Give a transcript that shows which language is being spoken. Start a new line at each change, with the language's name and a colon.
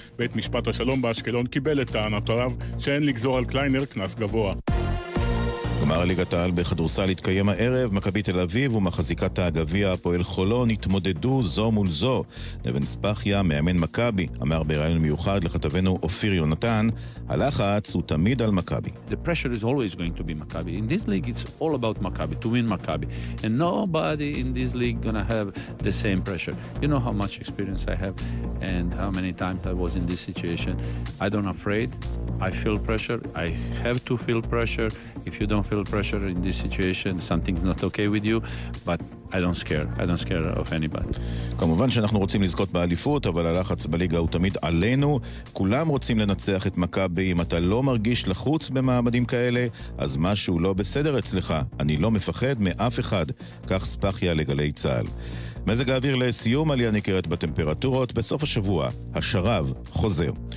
Hebrew: בית משפט השלום באשקלון קיבל את טענותיו שאין לגזור על קליינר קנס גבוה. גמר ליגת העל בכדורסל התקיים הערב, מכבי תל אביב ומחזיקת הגביע הפועל חולון התמודדו זו מול זו. נבן ספחיה, מאמן מכבי, אמר בראיון מיוחד לכתבנו אופיר יונתן, הלחץ הוא תמיד על מכבי.
English: The pressure is always going to be מכבי. In this league it's all about מכבי, to win מכבי. And nobody in this league gonna have the same pressure. You know how much experience I have and how many times I was in this situation. I don't afraid. I feel pressure. I have to feel pressure. If you don't feel pressure in this situation, something's not okay with you, but I don't scare of anybody.
Hebrew: כמובן שאנחנו רוצים לזכות באליפות, אבל הלחץ בליגה הוא תמיד עלינו. כולם רוצים לנצח את מכבי. אם אתה לא מרגיש לחוץ במעמדים כאלה, אז משהו לא בסדר אצלך. אני לא מפחד מאף אחד. כך ספחיה לגלי צהל. מזג האוויר לסיום, עלייה ניכרת בטמפרטורות. בסוף השבוע, השרב חוזר.